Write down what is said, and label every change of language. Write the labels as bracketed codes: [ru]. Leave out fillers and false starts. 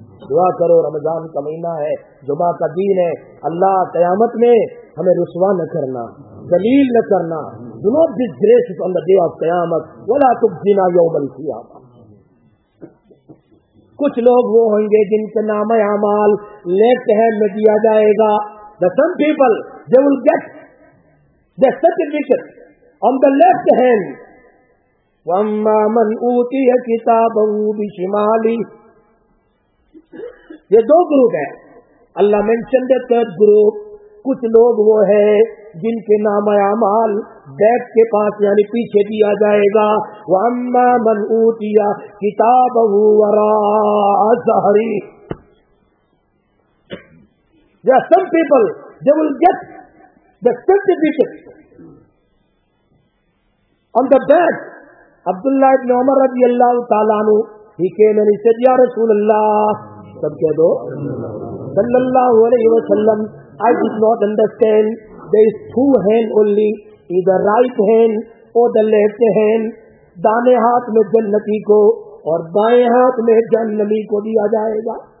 [ur] دعا کرو, رمضان کا مہینہ ہے, جمعہ کا دین ہے, اللہ قیامت میں ہمیں رسوا نہ کرنا, ذلیل نہ کرنا. [en] Do not disgrace us on the day of qiyamat, [ar] ولا تخزنا یوم القیامہ. [ur] کچھ لوگ وہ ہوں گے جن کے نام اعمال [en] left hand [ur] میں دیا جائے گا. [en] The some people they will get their certificate on the left hand. [ar] وَأَمَّا مَنْ أُوتِيَ كِتَابَهُ بِشِمَالِهِ. [ur] یہ دو گروپ ہیں. اللہ [en] mention the third group, [ur] کچھ لوگ وہ ہیں جن کے نام اعمال بیک کے پاس یعنی پیچھے دیا جائے گا. [ar] وَأَمَّا مَنْ أُوتِيَ كِتَابَهُ وَرَاءَ ظَهْرِهِ. [en] There are some people they will get the certificate on the back. عبداللہ ابن عمر رضی اللہ تعالیٰ عنہ, he came and he said, یا رسول اللہ, سب کہہ دو, صلی اللہ علیہ وسلم, I did not understand, there is two hand only, either right hand or the left hand, [ur] دانے ہاتھ میں جنتی کو اور بائیں ہاتھ میں جہنمی کو دیا جائے گا.